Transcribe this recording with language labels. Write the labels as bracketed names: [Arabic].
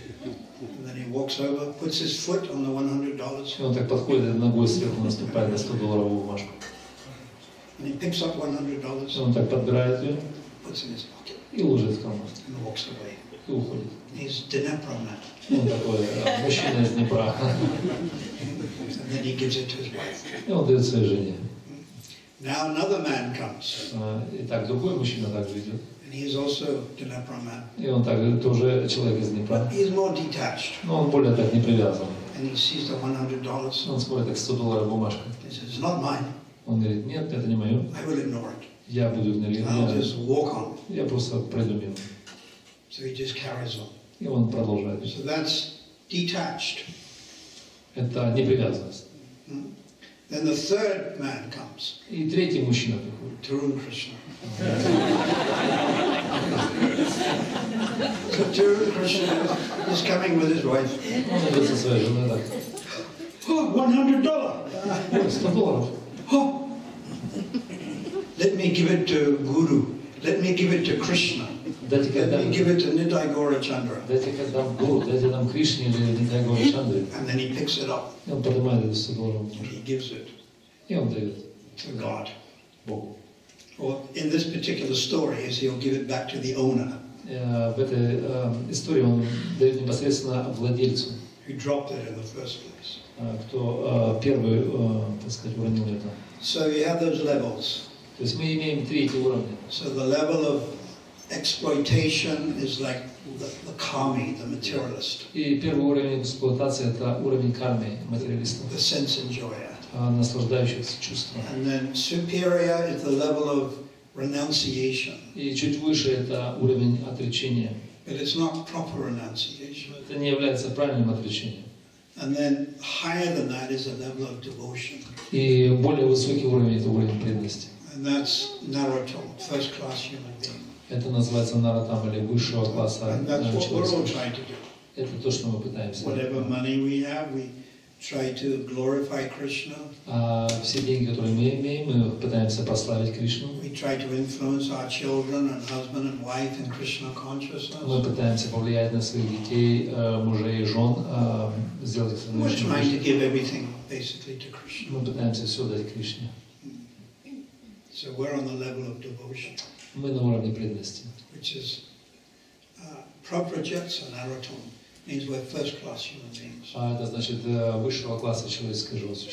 [English] And then he walks over, puts his foot on the $100. [Russian] И он так подходит, ногой сверху наступает на $100 бумажку. [English] And he picks up $100. [Russian] И он так подбирает ее. [English] Puts in his pocket. [Russian] И уложит в карман. [English] And walks away. [Russian] И уходит. [English] He's Dnepro man. [Russian] Он такой мужчина из Днепра. [English] And then he gives it to his wife. [Russian] И он дает своей жене. [English] Now another man comes. [Russian] Итак, другой мужчина также идет. [English] And he's also Dnepro man. [Russian] И он так тоже человек из Днепра. [English] But he's more detached. [Russian] Но он более так не привязан. [English] And he sees the $100. [Russian] Он смотрит так $100 бумажка. [English] He says, it's not mine. [Russian] Он говорит, нет, это не мое. [English] I will ignore it. [Russian] Я буду игнорировать. Я просто пройду мимо. [English] So he just carries on. [Russian] И он продолжает. [English] So that's detached. [Russian] Это непривязанность. Mm-hmm. [English] Then the third man comes. [Russian] И третий мужчина приходит. [English] Tarun Krishna. So Tarun Krishna is coming with his wife. [Russian] Он идет со своей женой. Да. [English] $100. [Russian] $100. [English] Let me give it to Guru. Let me give it to Krishna. Let me give it to Nitai Gaura Chandra. Let me give it to Guru. Let me give it to Krishna or Nitai Gaura Chandra. And then he picks it up. And he gives it. And he gives it. To God. in this particular story is he'll give it back to the owner. [Russian] В этой истории он дает непосредственно владельцу. [English] Who dropped it in the first place? [Russian] Кто первый, так сказать, уронил это? [English] So we have those levels. [Russian] То есть мы имеем три эти уровня. [English] So the level of exploitation is like the kami, the materialist. [Russian] И первый уровень эксплуатации это уровень кармы, материалиста. [English] The sense enjoyer. [Russian] Наслаждающихся чувством. [English] And then superior is the level of renunciation. [Russian] И чуть выше это уровень отречения. [English] But it's not proper renunciation. [Russian] Это не является правильным отречением. [English] And then higher than that is a level of devotion. [Russian] И более высокий уровень это уровень преданности. [English] And that's Narottam, first class human being. [Russian] Это называется Narottam или высшего класса. [English] And that's what we're all trying to do. [Russian] Это то, что мы пытаемся. [English] Whatever money we have, we try to glorify Krishna. [Russian] Все деньги, которые мы имеем, мы пытаемся прославить Кришну. [English] We try to influence our children and husband and wife in Krishna consciousness. [Russian] Мы пытаемся повлиять на своих детей, мужей и жен, сделать их. [English] We're trying to give everything basically to Krishna. [Russian] Мы пытаемся все дать Кришне. [English] So we're on the level of devotion. [Russian] Мы на уровне преданности. [English] Which is Praprajñā Narottam. Means we're first-class human beings. [Russian] Это значит высшего класса человеческое животное.